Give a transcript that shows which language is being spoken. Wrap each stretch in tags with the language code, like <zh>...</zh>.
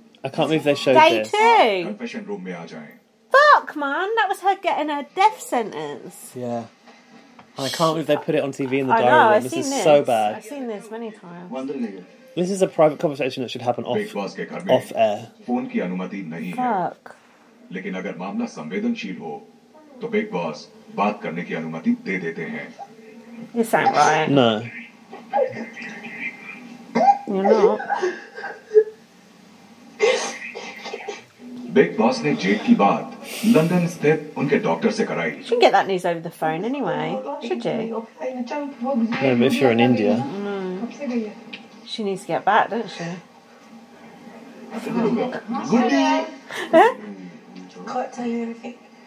<en>I can't believe they showed day this. Day two. Confession room, may I, Jane? Fuck, man. That was her getting her death sentence. Yeah. I can't believe they put it on TV in the diary room. This is so bad. I've seen this many times. This is a private conversation that should happen off air.</en> <hi>Phone की अनुमति नहीं है।</hi> <en>Fuck.</en> <hi>लेकिन अगर मामला संवेदनशील हो तो बिग बॉस बात करने की अनुमति दे देते हैं</hi> <en>इस आई बाय नो यू नो</en> <hi>Big Boss ne jail ki baat London sthit unke doctor se karai.</hi> <en>She can get that news over the phone anyway, should she? No, if you're in India. Mm. She needs to get back, doesn't she? Good day. Can't tell you anything.</en>